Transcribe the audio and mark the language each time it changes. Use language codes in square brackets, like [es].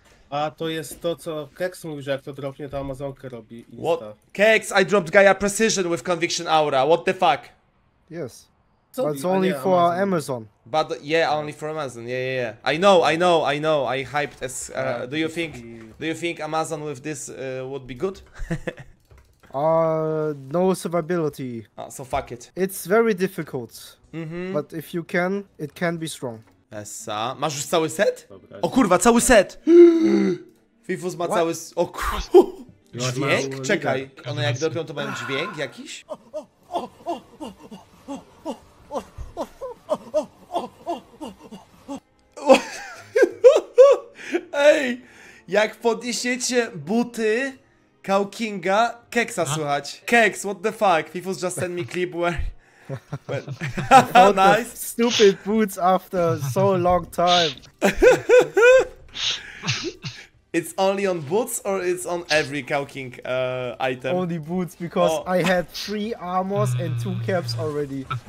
[pl] A to jest to, co Keks mówi, że jak to dropnie, to Amazonkę robi Insta. [en] What? Keks, I dropped Gaia Precision with Conviction Aura, what the fuck? Yes. [pl] co? [en] But it's only for Amazon. Amazon. But yeah, only for Amazon. Yeah, yeah, yeah. I know. I hyped as. Do you think Amazon with this would be good? No survivability. Oh, so fuck it. It's very difficult. Mm-hmm. But if you can, it can be strong. [pl] Esa. Masz już cały set? O kurwa, cały set! Fifus ma cały... O kurwa! Dźwięk? Czekaj. One jak dopią, to mają dźwięk jakiś? Ej! Jak podniesiecie buty Kao Kinga, Keksa słychać. [en] Keks, what the fuck? Fifus just sent me clip where... Nice. Stupid boots after so long time. It's only on boots or it's on every Kao King item? Only boots because I had 3 armors and 2 caps already.